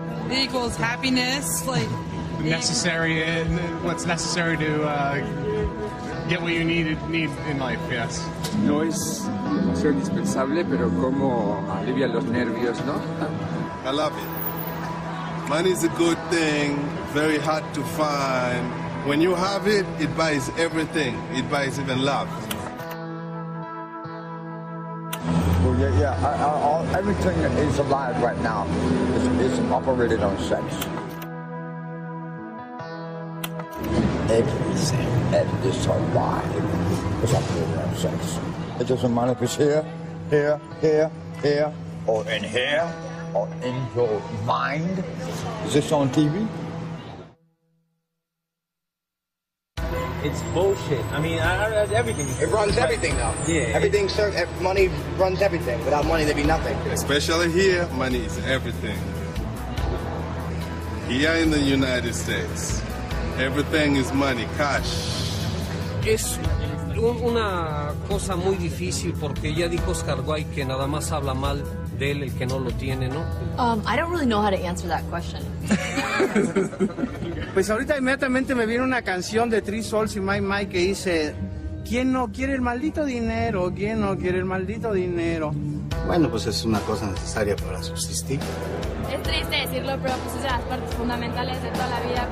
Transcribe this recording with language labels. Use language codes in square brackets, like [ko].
[en] It equals happiness, like necessary, and what's necessary to get what you need in life. Yes. [es] No es emoción indispensable, pero como alivia los nervios, ¿no? [en] I love it. Money is a good thing, very hard to find. When you have it, it buys everything. It buys even love. Everything is alive right now. It's operated on sex. Everything is alive. It's operated on sex. It doesn't matter if it's here, or in here, or in your mind. Is this on TV? It's bullshit. I mean, everything. It runs everything now. Yeah. Everything, money runs everything. Without money, there'd be nothing. Especially here, money is everything. Here in the United States, everything is money, cash. [es] Es una cosa muy difícil porque ya dijo Oscar Wilde que nada más habla mal de él el que no lo tiene, ¿no? [en] I don't really know how to answer that question. [es] Pues ahorita inmediatamente me viene una canción de Three Souls y My Mike que dice, ¿quién no quiere el maldito dinero? ¿Quién no quiere el maldito dinero? Bueno, pues es una cosa necesaria para subsistir. Es triste decirlo, pero pues es de las partes fundamentales de toda la vida.